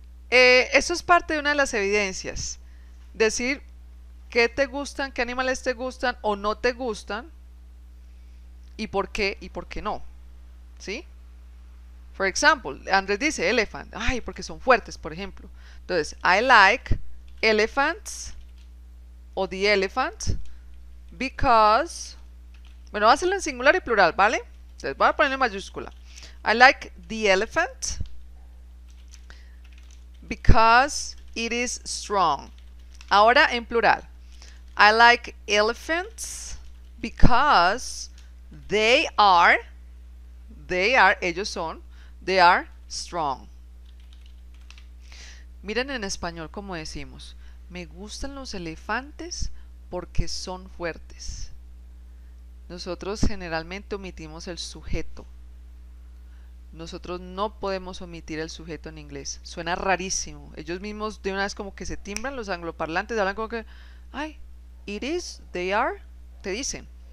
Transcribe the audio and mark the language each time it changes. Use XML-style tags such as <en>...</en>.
<es>Eso es parte de una de las evidencias. Decir qué te gustan, qué animales te gustan o no te gustan y por qué no. ¿Sí?</es> <en>For example,</en> <es>Andrés dice elephant. Ay, porque son fuertes, por ejemplo.</es> <en>Entonces, I like elephants o the elephant because.</en> <es>Bueno, va a hacerlo en singular y plural, ¿vale? Entonces, voy a poner en mayúscula.</es> <en>I like the elephant. Because it is strong.</en> <es>Ahora en plural.</es> <en>I like elephants because they are They are,</en> <es>ellos son,</es> <en>they are strong.</en> <es>Miren en español cómo decimos. Me gustan los elefantes porque son fuertes. Nosotros generalmente omitimos el sujeto. Nosotros no podemos omitir el sujeto en inglés. Suena rarísimo. Ellos mismos de una vez como que se timbran los angloparlantes, hablan como que, ay,</es> <en>it is, they are,</en> <es>te dicen.</es>